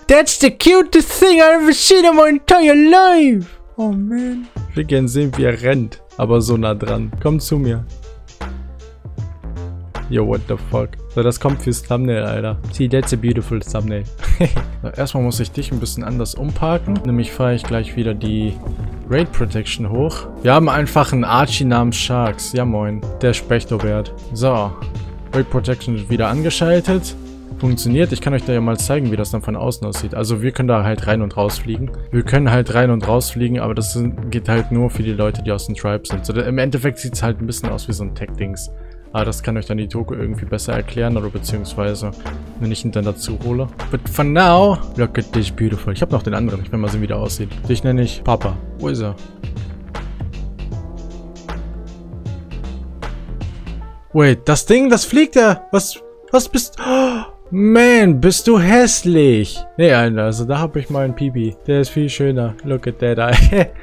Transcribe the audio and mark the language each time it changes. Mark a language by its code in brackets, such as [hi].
[en] That's the cutest thing I've ever seen in my entire life! Oh, man. [de] Wir gehen sehen, wie er rennt. Aber so nah dran. Komm zu mir. [en] Yo, what the fuck? [de] So, das kommt fürs Thumbnail, Alter. [en] See, that's a beautiful thumbnail. [de] So, erstmal muss ich dich ein bisschen anders umparken. Nämlich fahre ich gleich wieder die Raid Protection hoch. Wir haben einfach einen Archie namens Sharks. Ja, moin. Der Spechtobert. So. Raid Protection ist wieder angeschaltet. Funktioniert. Ich kann euch da ja mal zeigen, wie das dann von außen aussieht. Also wir können da halt rein und raus fliegen. Wir können halt rein und raus fliegen, aber das geht halt nur für die Leute, die aus den Tribes sind. So, im Endeffekt sieht es halt ein bisschen aus wie so ein Tech-Dings. Aber das kann euch dann die Toku irgendwie besser erklären oder beziehungsweise, wenn ich ihn dann dazu hole. [en] But for now, look at this beautiful. [de] Ich habe noch den anderen. Ich will mal sehen, wie der aussieht. Dich nenne ich Papa. Wo ist er? [en] Wait, [de] das Ding, das fliegt ja. Was bist... Man, bist du hässlich? Nee, Alter, also da habe ich mal einen Pipi. Der ist viel schöner. [en] Look at that eye.